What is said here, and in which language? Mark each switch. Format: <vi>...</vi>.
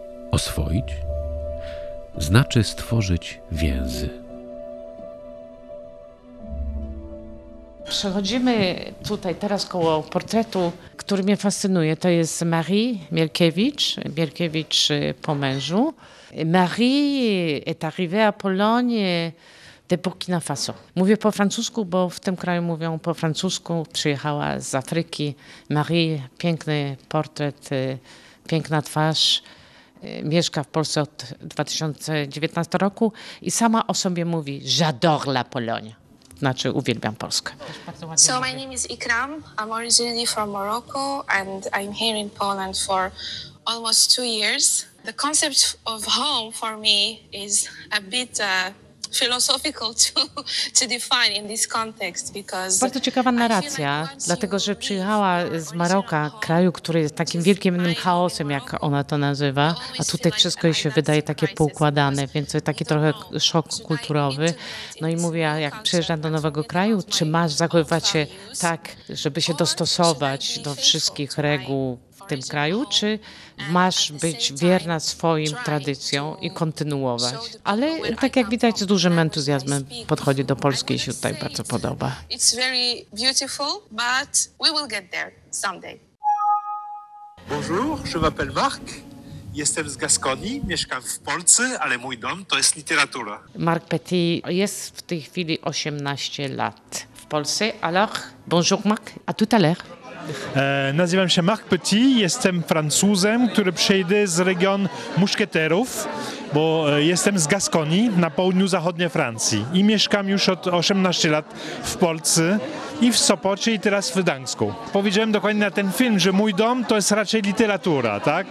<pl>Oswoić? Znaczy stworzyć więzy. Przechodzimy tutaj teraz koło portretu, który mnie fascynuje. To jest Marie Mielkiewicz, Mielkiewicz po mężu.</pl> <fr>Marie est arrivée à Pologne de Burkina Faso.</fr> <pl>Mówię po francusku, bo w tym kraju mówią po francusku. Przyjechała z Afryki. Marie, piękny portret, piękna twarz. Mieszka w Polsce od 2019 roku i sama o sobie mówi:</pl> <fr>J'adore la Pologne.</fr> <pl>Znaczy uwielbiam Polskę.</pl> <en>So my name is Ikram. I'm originally from Morocco and I'm here in Poland for almost 2 years. The concept of home for me is a bit... philosophical to define in this context because</en> <pl>bardzo ciekawa narracja, dlatego że przyjechała z Maroka, kraju, który jest takim wielkim innym chaosem, jak ona to nazywa, a tutaj wszystko jej się wydaje takie poukładane, więc taki trochę szok kulturowy. No i mówiła, jak przyjeżdża do nowego kraju, czy masz zachowywać się tak, żeby się dostosować do wszystkich reguł w tym kraju, czy masz być wierna swoim tradycjom i kontynuować. Ale tak jak widać, z dużym entuzjazmem podchodzi do Polski i się tutaj bardzo podoba.</pl> <en>It's very beautiful, but we will get there someday.</en> <fr>Bonjour, je m'appelle Marc.</fr> <pl>Jestem z Gaskonii, mieszkam w Polsce, ale mój dom to jest literatura. Marc Petit jest w tej chwili 18 lat w Polsce.</pl> <fr>Alors, bonjour Marc, à tout à l'heure.</fr> <pl>Nazywam się Marc Petit, jestem Francuzem, który przyjdzie z region Muszkieterów, bo jestem z Gaskonii na południu zachodniej Francji i mieszkam już od 18 lat w Polsce i w Sopocie i teraz w Gdańsku. Powiedziałem dokładnie na ten film, że mój dom to jest raczej literatura, tak?</pl>